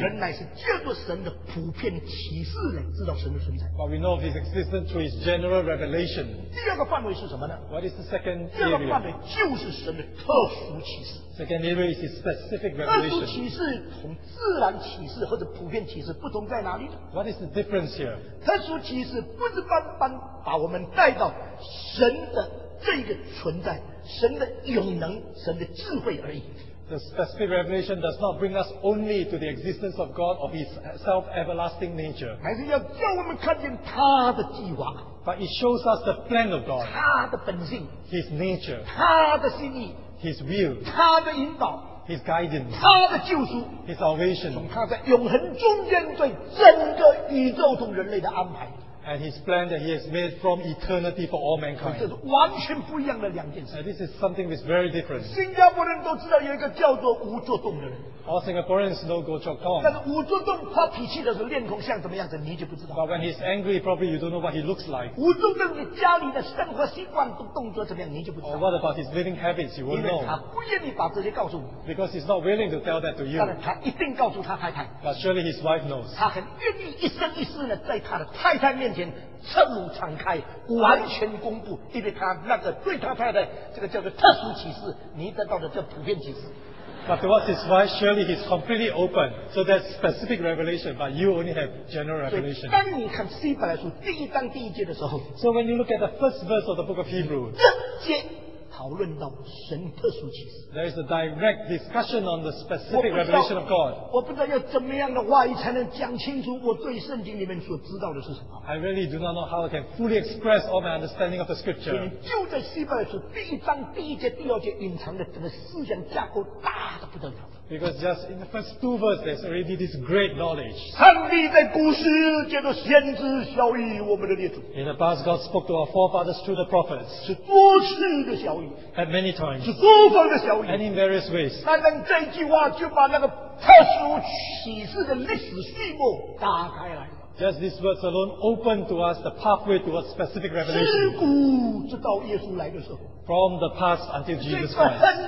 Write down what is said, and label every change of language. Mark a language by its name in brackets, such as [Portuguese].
[Chinese] 人乃是借着神的普遍启示来知道神的存在。 [English] But we know of His existence through His general revelation. [Chinese] 第二个范围是什么呢？ [English] What is the second area? [Chinese] 第二个范围就是神的特殊启示。 [English] Second area is His specific revelation. [Chinese] 特殊启示同自然启示或者普遍启示不同在哪里呢？ [English] What is the difference here? [Chinese] 特殊启示不是单单把我们带到神的这个存在神的永能神的智慧而已。 [English] The specific revelation does not bring us only to the existence of God or His self-everlasting nature. [Chinese] 还是要叫我们看见他的计划。 [English] But it shows us the plan of God. [Chinese] 他的本性。 [English] His nature. [Chinese] 他的心意。 [English] His will. [Chinese] 他的引导。 [English] His guidance. [Chinese] 他的救赎。 [English] His salvation. [Chinese] 从他在永恒中间对整个宇宙同人类的安排。 [English] And his plan that he has made from eternity for all mankind. [Chinese] 这是完全不一样的两件事。 [English] And this is something that's very different. [Chinese] 新加坡人都知道有一个叫做吴作栋的人。 [English] All Singaporeans know Goh Chok Tong. [Chinese] 但是吴作栋发脾气的时候，脸孔像怎么样子，你就不知道。 [English] But when he's angry, probably you don't know what he looks like. [Chinese] 吴作栋的家里的生活习惯、动作怎么样，你就不知道。 [English] Or what about his living habits? You won't know. [Chinese] 因为他不愿意把这些告诉我。 [English] Because he's not willing to tell that to you. [Chinese] 但是他一定告诉他太太。 [English] But surely his wife knows. [Chinese] 他很愿意一生一世呢，在他的太太面前彻露敞开，完全公布，因为他那个对他太太这个叫做特殊启示，你得到的叫普遍启示。 [English] But towards his wife, surely he's completely open. So that's specific revelation, but you only have general revelation. [Chinese] 当你看希伯来书第一章第一节的时候， [English] So when you look at the first verse of the book of Hebrews, [Chinese] 直接讨论到神特殊启示。 [English] There is a direct discussion on the specific revelation of God. [Chinese] 我不知道要怎么样的话语才能讲清楚我对圣经里面所知道的是什么。 [English] I really do not know how I can fully express all my understanding of the scripture. [Chinese] 就在希伯来书第一章第一节第二节隐藏的整个思想架构大的不得了。 [English] Because just in the first two verses, there's already this great knowledge. [Chinese] 上帝在古时借着先知晓谕我们的列祖。 [English] In the past, God spoke to our forefathers through the prophets. [Chinese] 是多次的晓谕。 [English] At many times. [Chinese] 是多方的晓谕。 [English] And in various ways. [Chinese] 单单这句话就把那个特殊启示的历史序幕打开来。 [English] Just these words alone open to us the pathway towards specific revelation. [Chinese] 自古直到耶稣来的时候。 [English] From the past until Jesus Christ.